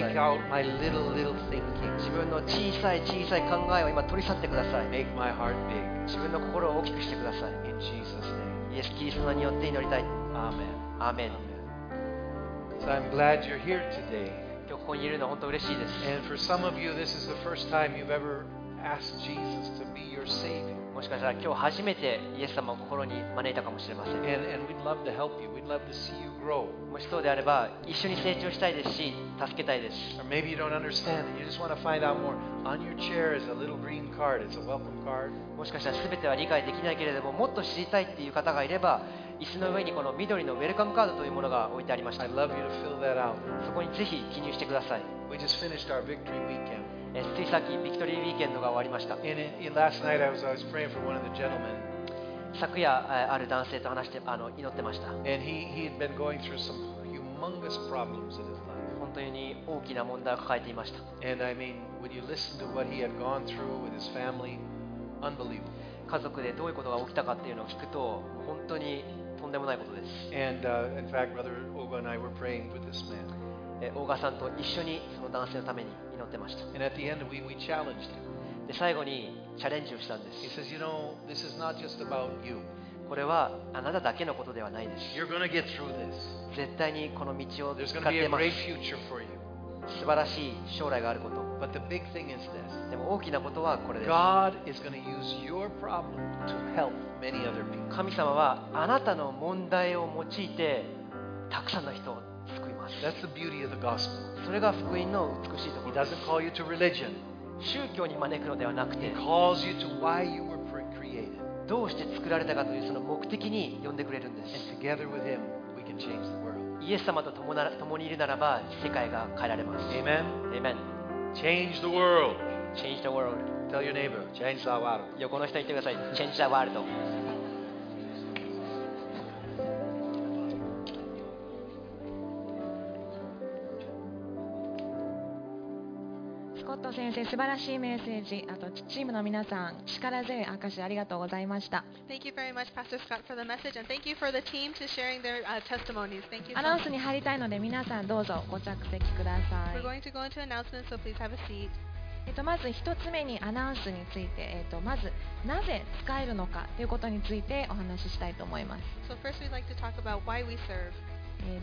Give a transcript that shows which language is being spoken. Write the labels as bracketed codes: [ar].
[en] Take out my little, little thinking. [ja] 自分の小さい小さい考えを今取り去ってください。 [en] Make my heart big. [ja] 自分の心を大きくしてください。 [en] In Jesus' name. [ja] イエス・キリストによって祈りたい。 [en] Amen. Amen. So I'm glad you're here today. [ja] 今日ここにいるのは本当に嬉しいです。 [en] And for some of you, this is the first time you've ever ask Jesus to be your savior. [ja] もしかしたら今日初めてイエス様を心に招いたかもしれません。 [en] and we'd love to help you. We'd love to see you grow. [ja] もしそうであれば一緒に成長したいですし助けたいです。 [en] or maybe you don't understand and you just want to find out more. On your chair is a little green card. It's a welcome card. [ja] もしかしたら全ては理解できないけれどももっと知りたいっていう方がいれば椅子の上にこの緑のウェルカムカードというものが置いてありました。 [en] I'd love you to fill that out. [ja] そこにぜひ記入してください。 [en] We just finished our victory weekend. [ja] ついさっきビクトリーウィーケンドが終わりました。 [en] and last night I was praying for one of the gentlemen. [ja] 昨夜ある男性と話して祈ってました。 [en] and he had been going through some humongous problems in his life. [ja] 本当に大きな問題を抱えていました。 [en] and I mean when you listen to what he had gone through with his family, unbelievable. [ja] 家族でどういうことが起きたかっていうのを聞くと本当にとんでもないことです。 [en] and in fact Brother Oga and I were praying with this man. [ja] 大賀さんと一緒にその男性のために祈ってました。 [en] And at the end, we challenged him. [ja] で最後にチャレンジをしたんです。 [en] He says, you know, this is not just about you. [ja] これはあなただけのことではないです。 [en] You're going to get through this. [ja] 絶対にこの道を使ってます。 [en] There's going to be a great future for you. [ja] 素晴らしい将来があること。 [en] But the big thing is this. [ja] でも大きなことはこれです。 [en] God is going to use your problem to help many other people. [ja] 神様はあなたの問題を用いてたくさんの人を救います。 [en] That's the beauty of the gospel. [ja] それが福音の美しいところ。 [en] He doesn't call you to religion. [ja] 宗教に招くのではなくて、 [en] He calls you to why you were created. [ja] どうして作られたかというその目的に呼んでくれるんです。 [en] And together with him, we can change the world. [ja] イエス様と共にいるならば世界が変えられます。 [en] Amen. Amen. Change the world. Change the world. Tell your neighbor, change the world. [ja] 横の人に言ってください。 [en] Change the world. [ja] 先生素晴らしいメッセージ、あとチームの皆さん力強い証ありがとうございました。 [en] Thank you very much Pastor Scott for the message and thank you for the team to sharing their testimonies. Thank you. [ja] アナウンスに入りたいので皆さんどうぞご着席ください。 [en] We're going to go into announcements so please have a seat. [ja] まず一つ目にアナウンスについて、まずなぜ使えるのかということについてお話ししたいと思います。 [en] So first we'd like to talk about why we serve.